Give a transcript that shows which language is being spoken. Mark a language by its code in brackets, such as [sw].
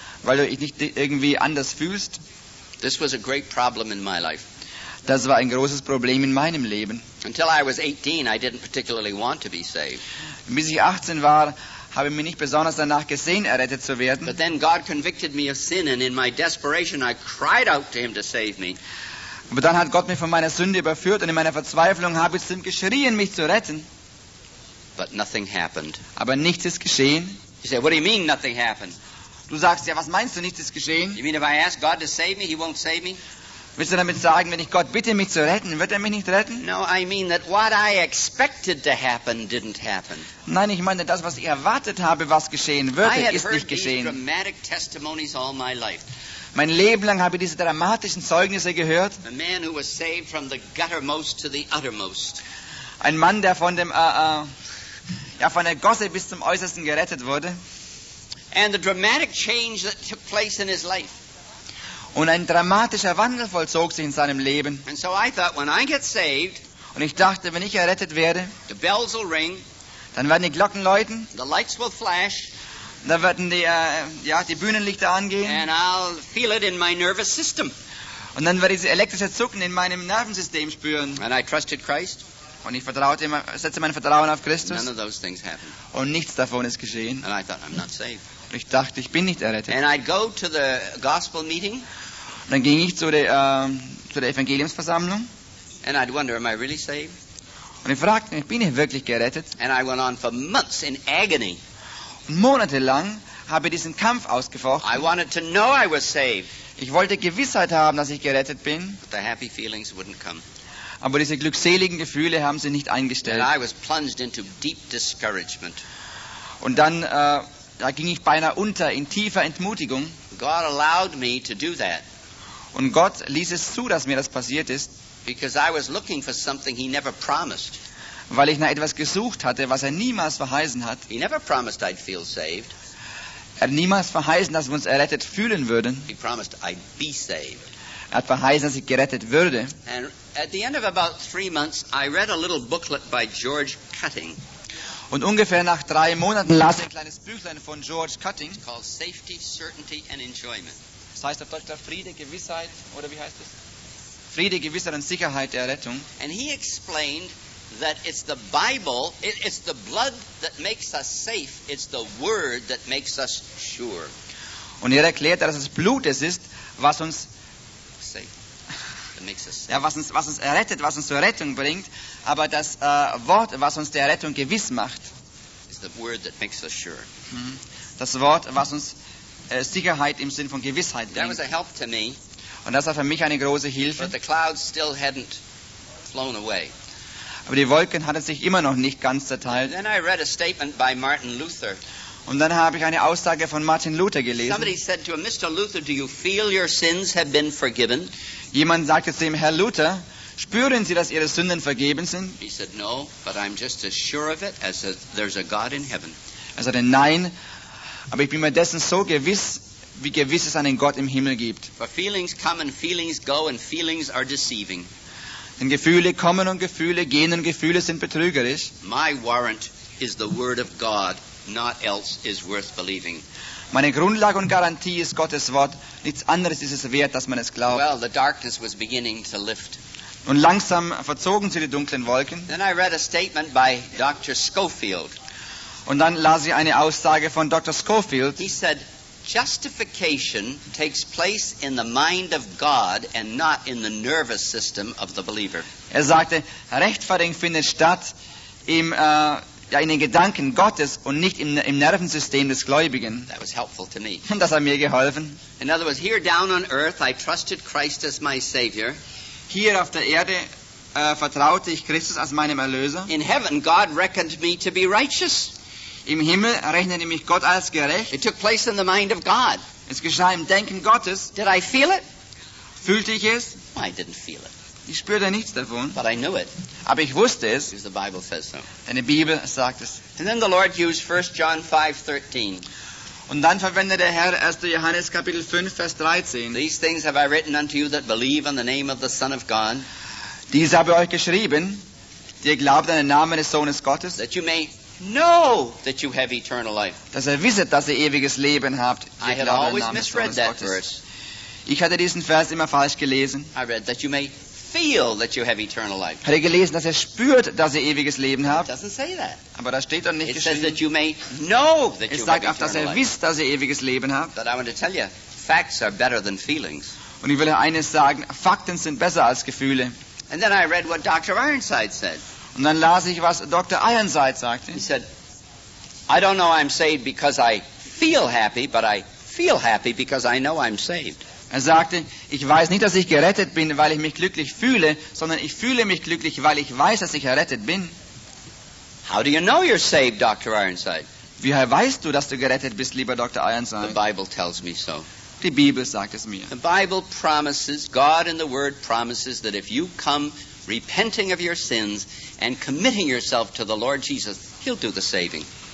[de] Weil du dich nicht irgendwie anders fühlst. [en] This was a great problem in my life. [de] Das war ein großes Problem in meinem Leben. [en] Until I was 18, I didn't particularly want to be saved. [de] Bis ich 18 war, habe ich mich nicht besonders danach gesehen, errettet zu werden. [en] But then God convicted me of sin, and in my desperation, I cried out to him to save me. [de] Aber dann hat Gott mich von meiner Sünde überführt, und in meiner Verzweiflung habe ich zu ihm geschrien, mich zu retten. [en] But nothing happened. [de] Aber nichts ist geschehen. [en] You say, what do you mean nothing happened? [de] Du sagst ja, was meinst du, nichts ist geschehen? [en] You mean if I ask God to save me, he won't save me? [de] Willst du damit sagen, wenn ich Gott bitte, mich zu retten, wird mich nicht retten? [en] No, I mean that what I expected to happen didn't happen. [de] Nein, ich meine, das, was ich erwartet habe, was geschehen würde, ist nicht geschehen. [en] I had heard these dramatic testimonies all my life. [de] Mein Leben lang habe ich diese dramatischen Zeugnisse gehört. [en] A man who was saved from the guttermost to the uttermost. [de] Ein Mann, der von dem von der Gosse bis zum Äußersten gerettet wurde. [en] And the dramatic change that took place in his life. [de] Und ein dramatischer Wandel vollzog sich in seinem Leben. [en] And so I thought, when I get saved, [de] und ich dachte, wenn ich errettet werde, [en] the bells will ring, [de] dann werden die Glocken läuten, [en] the lights will flash, [de] dann werden die Bühnenlichter angehen, [en] and I'll feel it in my nervous system. [de] Und dann werde ich das elektrische Zucken in meinem Nervensystem spüren. [en] And I trusted Christ. [de] Und ich vertraute immer, setze mein Vertrauen auf Christus. [en] None of those things happened. [de] Und nichts davon ist geschehen. [en] And I thought, I'm not saved. [de] Ich dachte, ich bin nicht errettet. [en] And I'd go to the gospel meeting. [de] Und dann ging ich zu der Evangeliumsversammlung. [en] And I'd wonder, am I really saved? [de] Und ich fragte mich, bin ich wirklich gerettet? [en] And I went on for months in agony. [de] Monatelang habe ich diesen Kampf ausgefochten. [en] I wanted to know I was saved. [de] Ich wollte Gewissheit haben, dass ich gerettet bin. [en] But the happy feelings wouldn't come. [de] Aber diese glückseligen Gefühle haben sie nicht eingestellt. [en] And I was plunged into deep discouragement. [de] Und dann da ging ich beinahe unter in tiefer Entmutigung. [en] God allowed me to do that. [de] Und Gott ließ es zu, dass mir das passiert ist. [en] Because I was looking for something he never promised. [de] Weil ich nach etwas gesucht hatte, was er niemals verheißen hat. [en] He never promised I'd feel saved. [de] Er hat niemals verheißen, dass wir uns errettet fühlen würden. [en] He promised I'd be saved. [de] Er hat verheißen, dass ich gerettet würde. [en] And at the end of about 3 months, I read a little booklet by George Cutting. [de] Und ungefähr nach 3 Monaten las ich ein kleines Büchlein von George Cutting. [en] It's called Safety, Certainty and Enjoyment. [de] Das heißt auf Deutsch Friede, Gewissheit, oder wie heißt es? Friede, Gewissheit und Sicherheit der Rettung. [en] And he explained that it's the Bible, it's the blood that makes us safe, it's the word that makes us sure. [de] Und er erklärte, dass das Blut es ist, was uns [en] safe. [de] Ja, was uns errettet, was uns zur Rettung bringt, aber das Wort, was uns der Rettung gewiss macht, [en] is the word that makes us sure. [de] Das Wort, was uns Sicherheit im Sinn von Gewissheit bringt. [en] That was a help to me, [de] und das war für mich eine große Hilfe. [en] But the clouds still hadn't flown away. [de] Aber die Wolken hatten sich immer noch nicht ganz zerteilt. [en] Then I read a statement by Martin Luther. [de] Und dann habe ich eine Aussage von Martin Luther gelesen. [en] Somebody said to him, Mr. Luther, do you feel your sins have been forgiven? [de] Jemand sagte zu ihm, Herr Luther, spüren Sie, dass Ihre Sünden vergeben sind? [en] He said, no, but I'm just as sure of it as there's a God in heaven. [de] Er sagte, nein, aber ich bin mir dessen so gewiss, wie gewiss es einen Gott im Himmel gibt. [en] For feelings come and feelings go and feelings are deceiving. [de] Denn Gefühle kommen und Gefühle gehen und Gefühle sind betrügerisch. [en] My warrant is the word of God. Not else is worth believing. [de] Meine Grundlage und Garantie ist Gottes Wort. Nichts anderes ist es wert, dass man es glaubt. [en] Well, the darkness was beginning to lift. [de] Und langsam verzogen sie die dunklen Wolken. [en] Then I read a statement by Dr. Schofield. [de] Und dann las ich eine Aussage von Dr. Schofield. [en] He said, justification takes place in the mind of God and not in the nervous system of the believer. [de] Er sagte, Rechtfertigung findet statt im in den Gedanken Gottes und nicht im Nervensystem des Gläubigen. [en] That was helpful to me. [de] Das hat mir geholfen. [en] In other words, here down on earth, I trusted Christ as my Savior. [de] Hier auf der Erde vertraute ich Christus als meinem Erlöser. [en] In heaven, God reckoned me to be righteous. [de] Im Himmel rechnete mich Gott als gerecht. [en] It took place in the mind of God. [de] Es geschah im Denken Gottes. [en] Did I feel it? [de] Fühlte ich es? [en] I didn't feel it. [de] Ich spürte nichts davon. [en] But I knew it. [de] Aber ich wusste es. [en] Because the Bible says so. [de] Denn die Bibel sagt es. [en] And then the Lord used 1 John 5:13. [de] Und dann verwendete der Herr 1. Johannes Kapitel 5 Vers 13. [en] These things have I written unto you that believe on the name of the Son of God. [de] Dies habe ich euch geschrieben, die ihr glaubt an den Namen des Sohnes Gottes. [en] That you may know that you have eternal life. [de] Dass ihr wisset, dass ihr ewiges Leben habt. [en] I had always misread that verse. [de] Ich hatte diesen Vers immer falsch gelesen. [en] I read that you may feel that you have eternal life. [de] Hat er gelesen, dass er spürt, dass er ewiges Leben hat? [en] It doesn't say that. [de] Aber da steht doch nicht [en] it [de] geschrieben. [en] It says that you may know that you have eternal life. [de] Es sagt, dass er wisst, dass er ewiges Leben hat. [en] But I want to tell you, facts are better than feelings. [de] Und ich will euch eines sagen, Fakten sind besser als Gefühle. [en] And then I read what Dr. Ironside said. [de] Und dann las ich, was Dr. Ironside sagte. [en] He said, I don't know I'm saved because I feel happy, but I feel happy because I know I'm saved. [de] Er sagte, ich weiß nicht, dass ich gerettet bin, weil ich mich glücklich fühle, sondern ich fühle mich glücklich, weil ich weiß, dass ich errettet bin. [en] How do you know you're saved, Dr. Ironside? [de] Wie weißt du, dass du gerettet bist, lieber Dr. Ironside? [en] The Bible tells me so. [de] Die Bibel sagt es mir. [en] The Bible promises, God in the Word promises that if you come repenting of your sins and committing yourself to the Lord Jesus, he'll do the saving.